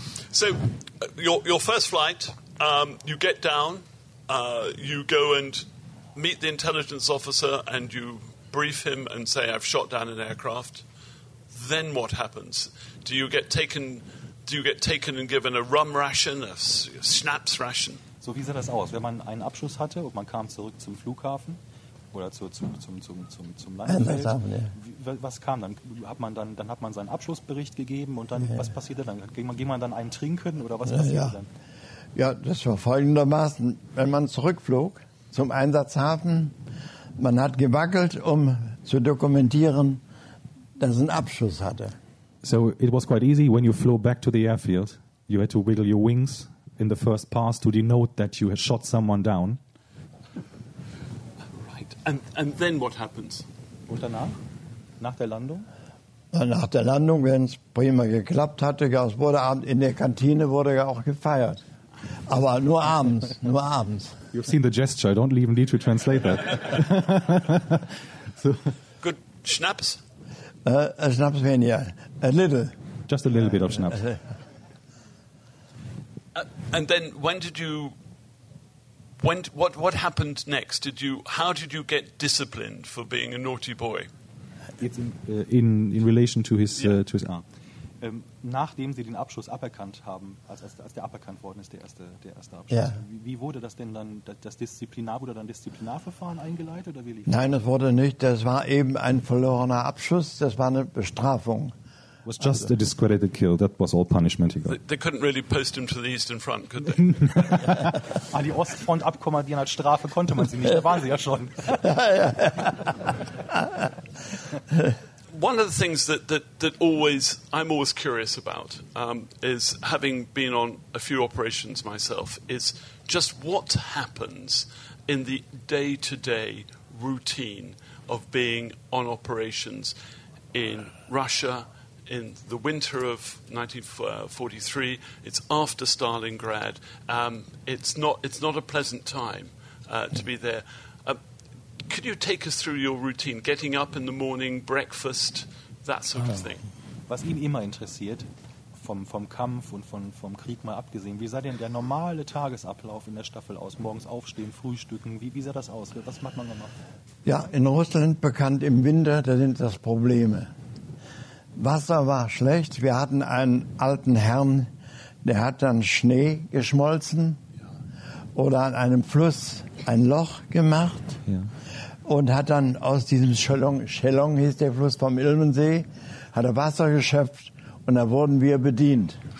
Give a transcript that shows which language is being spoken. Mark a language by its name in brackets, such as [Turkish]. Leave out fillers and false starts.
[English] So, your first flight, you get down, you go and meet the intelligence officer and you brief him and say, I've shot down an aircraft. Then what happens? Do you get taken and given a rum ration, a schnapps ration? [German] So, wie sah das aus? Wenn man einen Abschuss hatte und man kam zurück zum Flughafen, oder zum Landefeld. Was kam dann? Hat man seinen Abschlussbericht gegeben und dann, was passierte dann? Ging man dann einen trinken oder was passierte dann? Ja, das war folgendermaßen. Wenn man zurückflog zum Einsatzhafen, man hat gewackelt, um zu dokumentieren, dass ein Abschuss hatte. [English] So it was quite easy. When you flew back to the airfield, you had to wiggle your wings in the first pass to denote that you had shot someone down. And then what happens? [German] Und danach? Nach der Landung? Nach der Landung, wenn es prima geklappt hatte, es wurde abends in der Kantine wurde ja auch gefeiert. Aber nur abends, nur abends. [English] You've seen the gesture, I don't even need to translate that. So. Good, Schnaps? A Schnaps mean, yeah. A little. Just a little bit of Schnaps. And then when did you... What happened next? How did you get disciplined for being a naughty boy? It's in relation to his to his arm. [German] Nachdem Sie den Abschuss aberkannt haben, als der aberkannt worden ist, der erste Abschuss. Yeah. Wie wurde das denn dann Disziplinarverfahren eingeleitet oder wie lief? Nein, es wurde nicht. Das war eben ein verlorener Abschuss. Das war eine Bestrafung. [English] It was just a discredited kill. That was all punishment. They couldn't really post him to the Eastern Front, could they? [German] Ah, die Ostfront abkommandieren als Strafe konnte man sie nicht. Da waren sie ja schon. [English] One of the things that always I'm always curious about is, having been on a few operations myself, is just what happens in the day-to-day routine of being on operations in Russia. In the winter of 1943, it's after Stalingrad. It's not a pleasant time to be there. Could you take us through your routine? Getting up in the morning, breakfast, that sort of thing. [German] Was ihn immer interessiert, vom Kampf und vom Krieg mal abgesehen, wie sah denn der normale Tagesablauf in der Staffel aus? Morgens aufstehen, frühstücken, wie sah das aus? Was macht man gemacht? Ja, in Russland bekannt im Winter, da sind das Probleme. Wasser war schlecht. Wir hatten einen alten Herrn, der hat dann Schnee geschmolzen oder an einem Fluss ein Loch gemacht und hat dann aus diesem Schellong hieß der Fluss vom Ilmensee, hat er Wasser geschöpft und da wurden wir bedient.